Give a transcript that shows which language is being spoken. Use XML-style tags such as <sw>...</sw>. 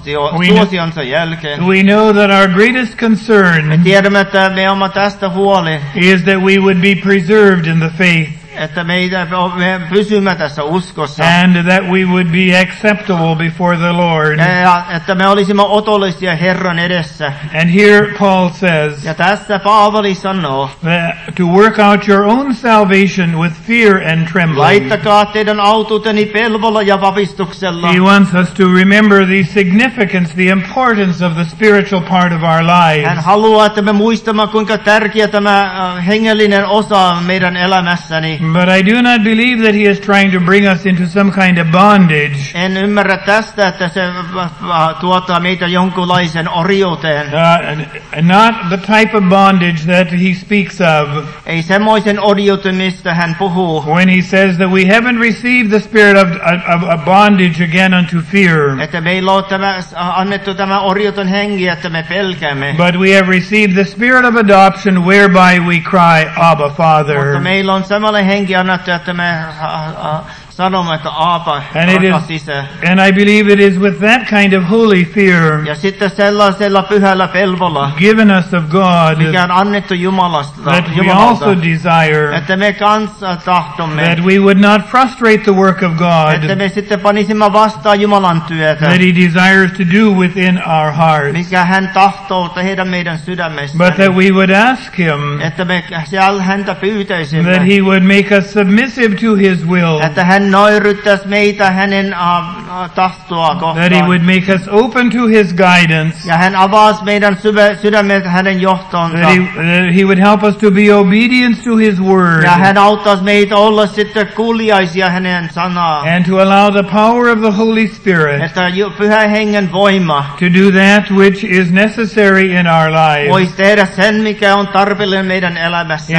<en>We know that our greatest concern is that we would be preserved in the faith.</en> <fi>Että me pysymme tässä uskossa.</fi> <en>And that we would be acceptable before the Lord.</en> <fi>Ja että me olisimme otollisia Herran edessä.</fi> <en>And here Paul says.</en> <fi>Ja tässä Paavali sanoo.</fi> <en>To work out your own salvation with fear and trembling.</en> <fi>Laittakaa teidän autuuteni pelvolla ja vapistuksella.</fi> <en>He wants us to remember the significance, the importance of the spiritual part of our lives.</en> <fi>Hän haluaa, että me muistamme, kuinka tärkeä tämä hengellinen osa meidän elämässä.</fi> <en>But I do not believe that he is trying to bring us into some kind of bondage.</en> <fi>En ymmärrä tästä, että se tuottaa meitä jonkunlaisen orjuuteen.</fi> <en>Not the type of bondage that he speaks of.</en> <fi>Ei semmoisen orjuuteen, mistä hän puhuu.</fi> <en>When he says that we haven't received the spirit of bondage again unto fear.</en> <fi>Että meillä on annettu tämä orjuuteen henki, että me pelkäämme.</fi> <en>But we have received the spirit of adoption whereby we cry, Abba, Father.</en> <fi>Mutta meillä on samalla henki annettu, että me sanomme, että Aapa, rakas isä.</fi> <en>And I believe it is with that kind of holy fear.</en> <fi>Ja sitten sellaisella pyhällä pelvolla.</fi> <en>Given us of God.</en> <fi>Mikä on annettu Jumalasta.</fi> <en>That we also desire.</en> <fi>Että me kanssa tahtomme.</fi> <en>That we would not frustrate the work of God.</en> <fi>Että me sitten panisimme vastaan Jumalan työtä.</fi> <en>That he desires to do within our hearts.</en> <fi>Mikä hän tahtoo tehdä meidän sydämessä.</fi> <en>But that we would ask him.</en> <fi>Että me siellä häntä pyytäisimme.</fi> <en>That he would make us submissive to his will.</en> <fi>Hän nöyryttäisi meitä hänen tahtoa kohtaan.</fi> <en>That he would make us open to his guidance.</en> <fi>Ja hän avaisi meidän sydämet hänen johtonsa.</fi> <en>That he would help us to be obedient to his word.</en> <fi>Ja hän auttaisi meitä olla sitten kuuliaisia hänen sanaa.</fi> <en>And to allow the power of the Holy Spirit.</en> <fi>Että pyhä hengen voima.</fi> <en>To do that which is necessary in our lives.</en> <fi>Voisi tehdä sen, mikä on tarpeellinen meidän elämässä.</fi>